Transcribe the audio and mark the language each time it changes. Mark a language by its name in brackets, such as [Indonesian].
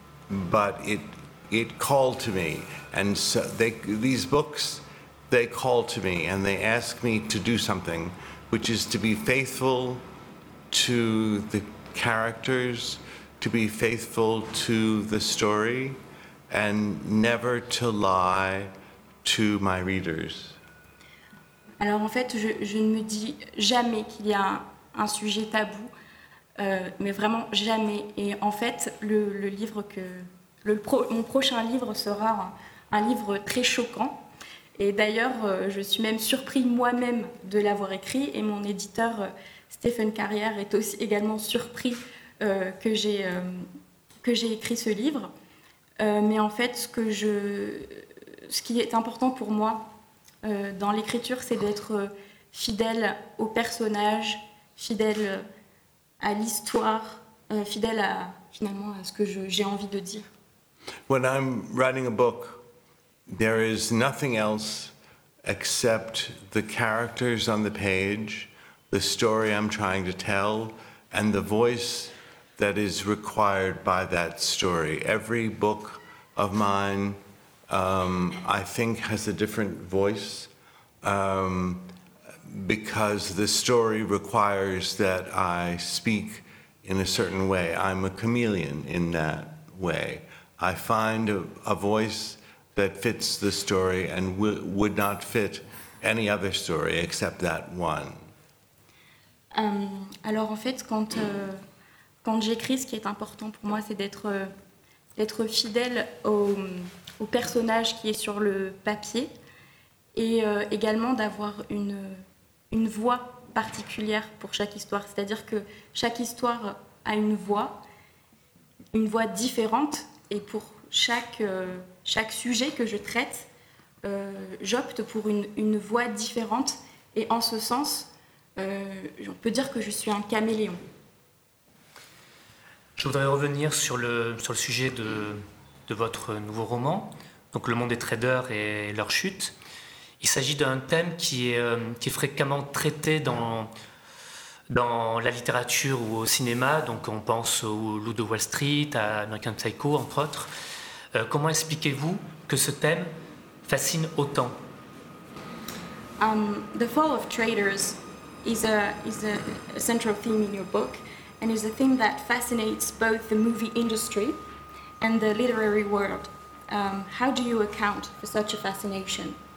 [English] But it called to me, and so these books, they call to me and they ask me to do something, which is to be faithful to the characters, to be faithful to the story, and never to lie to my readers. [French] Alors en fait, je ne me dis jamais qu'il y a un sujet tabou. Mais vraiment jamais. Et en fait, mon prochain livre sera un livre très choquant. Et d'ailleurs, je suis même surpris moi-même de l'avoir écrit. Et mon éditeur, Stephen Carrière, est aussi également surpris que j'ai écrit ce livre. Mais en fait, ce qui est important pour moi dans l'écriture, c'est d'être fidèle au personnage, fidèle à l'histoire, fidèle finalement à ce que j'ai envie de dire. [English] When I'm writing a book, there is nothing else except the characters on the page, the story I'm trying to tell, and the voice that is required by that story. Every book of mine, I think, has a different voice, because the story requires that I speak in a certain way. I'm a chameleon in that way. I find a voice that fits the story and would not fit any other story except that one. [French] Alors, en fait, quand j'écris, ce qui est important pour moi, c'est d'être fidèle au personnage qui est sur le papier et également d'avoir une voix particulière pour chaque histoire. C'est-à-dire que chaque histoire a une voix différente, et pour chaque sujet que je traite, j'opte pour une voix différente, et en ce sens, on peut dire que je suis un caméléon. Je voudrais revenir sur le sujet de votre nouveau roman, donc Le Monde des Traders et leur chute. Il s'agit d'un thème qui est fréquemment traité dans la littérature ou au cinéma, donc on pense au Loup de Wall Street, à American Psycho, entre autres. Comment expliquez-vous que ce thème fascine autant? [English] The fall of traders is a central theme in your book, and is a theme that fascinates both the movie industry and the literary world. How do you account for such a fascination?